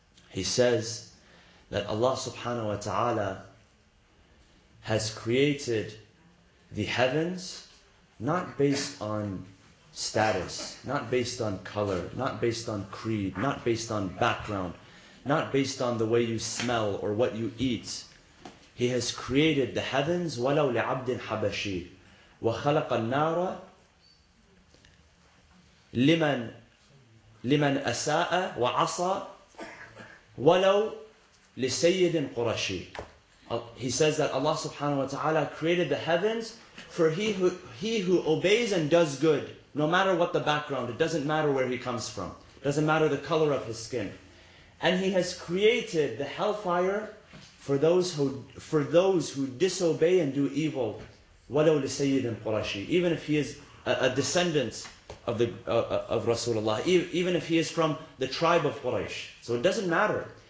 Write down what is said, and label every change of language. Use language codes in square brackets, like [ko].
[en] He says that Allah subhanahu wa ta'ala has created the heavens not based on status, not based on color, not based on creed, not based on background, not based on the way you smell or what you eat. He has created the heavens [ar] وَلَوْ لِعَبْدٍ حَبَشِي وَخَلَقَ النَّارَ لِمَنْ أَسَاءَ وَعَصَى وَلَوْ لِسَيِّدٍ قُرَشِي. [en] He says that Allah subhanahu wa ta'ala created the heavens for he who obeys and does good, no matter what the background, it doesn't matter where he comes from, it doesn't matter the color of his skin. And he has created the hellfire for those who disobey and do evil, [ar] وَلَوْ لِسَيِّدٍ قُرَشِي, [en] even if he is a descendant of Rasulullah, even if he is from the tribe of Quraysh. So it doesn't matter.